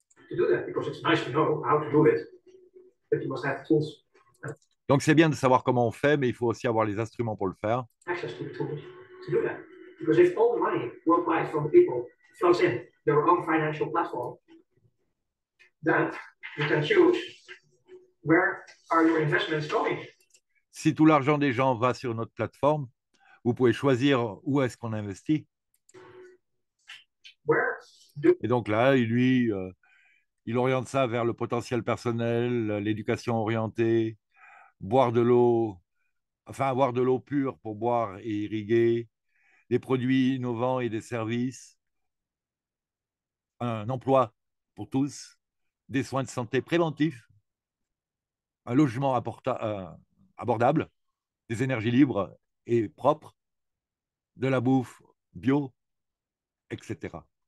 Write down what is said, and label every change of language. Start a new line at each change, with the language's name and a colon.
English: To do that because it's nice to know how to do it, but you must have tools.
French: Donc c'est bien de savoir comment on fait, mais il faut aussi avoir les instruments pour le faire.
English: Access to the tools to do that. Because if all the money worldwide from the people flows in their own financial platform, then you can choose where are your investments going.
French: Si tout l'argent des gens va sur notre plateforme, vous pouvez choisir où est-ce qu'on investit.
English: Where
French: Et donc là, lui, il oriente ça vers le potentiel personnel, l'éducation orientée, boire de l'eau, enfin avoir de l'eau pure pour boire et irriguer, des produits innovants et des services, un emploi pour tous, des soins de santé préventifs, un logement abordable, des énergies libres et propres, de la bouffe bio, etc.